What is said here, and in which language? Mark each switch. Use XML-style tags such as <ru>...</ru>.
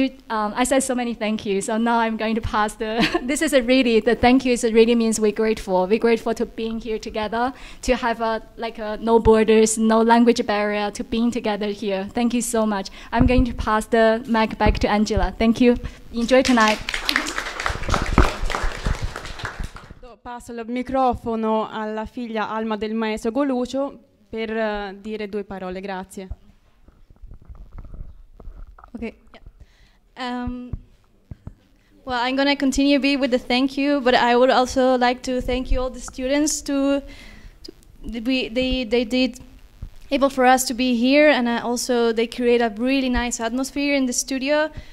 <en>I said so many thank you, so now I'm going to pass the, this is a really, the thank you is a really means we're grateful to being here together, to have a no borders, no language barrier, to being together here. Thank you so much. I'm going to pass the mic back to Angela. Thank you. Enjoy tonight.</en> <it>Passo il microfono alla figlia Alma del maestro Golucho per dire due parole, grazie.</it> <en>Okay. Well, I'm going to continue be with the thank you, but I would also like to thank you all the students they did able for us to be here, and also they create a really nice atmosphere in the studio.</en>